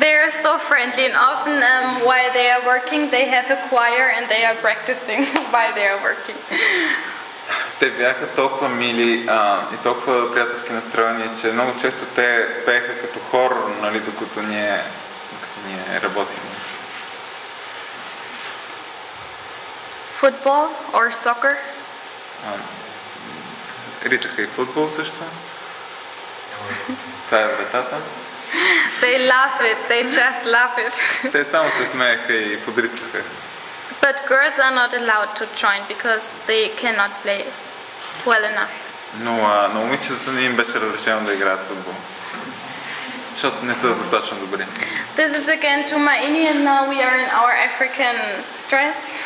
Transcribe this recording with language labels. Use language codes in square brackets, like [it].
[en] So friendly and often while they are working they have a choir and they are practicing while they are working. [bg] Те бяха толкова мили и толкова приятелски настроени, че много често те пееха като хор, нали, докато ние работихме. [en] Football or soccer? [bg] Ритаха и футбол също. Това е вратата. [en] They love it. They just love it. [bg] Те само се смееха и подритваха. [en] But girls are not allowed to join because they cannot play well enough. [bg] Но на момичетата не им беше разрешено да играят футбол. Защото не са достатъчно добри. [en] This is again to my Indian, now we are in our African dress.